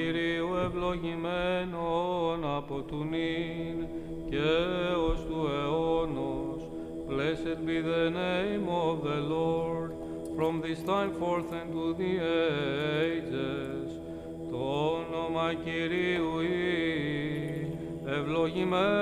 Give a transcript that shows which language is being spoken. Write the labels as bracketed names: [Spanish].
[Greek] Το όνομα Κυρίου ευλογημένον από του νυν και ως του αιώνος. [English] Blessed be the name of the Lord, from this time forth and to the ages. [Greek] Το όνομα Κυρίου ει, ευλογημένο.